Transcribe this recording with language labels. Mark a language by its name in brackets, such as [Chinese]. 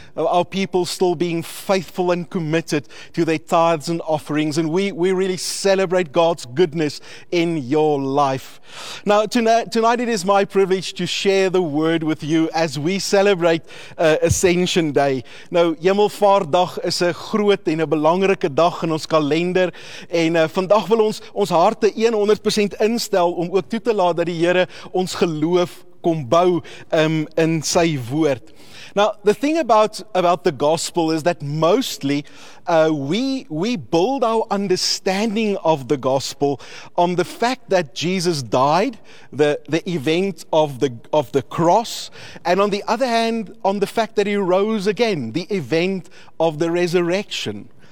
[English] Our people still being faithful and committed to their tithes and offerings, and we really celebrate God's goodness in your life. Now tonight it is my privilege to share the word with you as we celebrate Ascension Day. [Afrikaans] Nou Hemelvaartdag is 'n groot en 'n belangrike dag in ons kalender, en vandag wil ons harte 100% instel om ook toe te laat dat die Here ons geloof kom bou in sy woord. [English] Now, the thing about the gospel is that mostly we build our understanding of the gospel on the fact that Jesus died, the event of the cross, and on the other hand, on the fact that he rose again, the event of the resurrection.